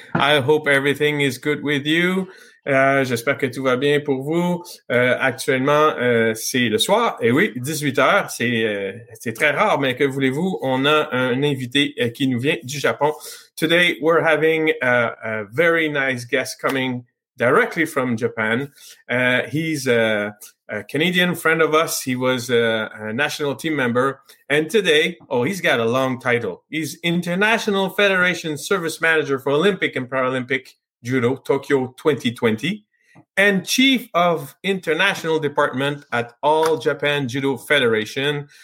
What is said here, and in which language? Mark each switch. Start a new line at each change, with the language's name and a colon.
English: I hope everything is good with you.
French: J'espère que tout va bien pour vous. Actuellement, c'est le soir, et oui, 18h, c'est très rare, mais que voulez-vous, on a un invité qui nous vient du Japon.
English: Today, we're having a very nice guest coming directly from Japan. He's a Canadian friend of us. He was a national team member. And today, he's got a long title. He's International Federation Service Manager for Olympic and Paralympic Judo, Tokyo 2020, and Chief of International Department at All Japan Judo Federation.